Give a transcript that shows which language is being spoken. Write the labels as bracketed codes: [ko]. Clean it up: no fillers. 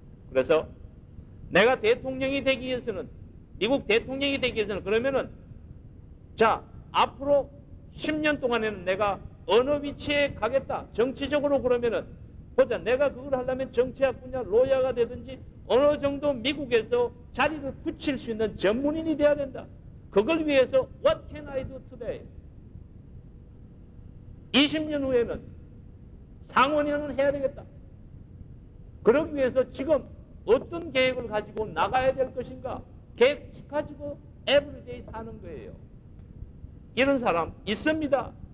[ko] 그래서 내가 대통령이 되기 위해서는 미국 대통령이 되기 위해서는 그러면은 자 앞으로 10년 동안에는 내가 어느 위치에 가겠다. 정치적으로 그러면은 보자. 내가 그걸 하려면 정치학 분야 로야가 되든지 어느 정도 미국에서 자리를 붙일 수 있는 전문인이 돼야 된다. [en] 그걸 위해서 What can I do today? [ko] 20년 후에는 상원의원을 해야 되겠다. 그러기 위해서 지금 어떤 계획을 가지고 나가야 될 것인가? 계획 가지고 에브리데이 사는 거예요. 이런 사람 있습니다.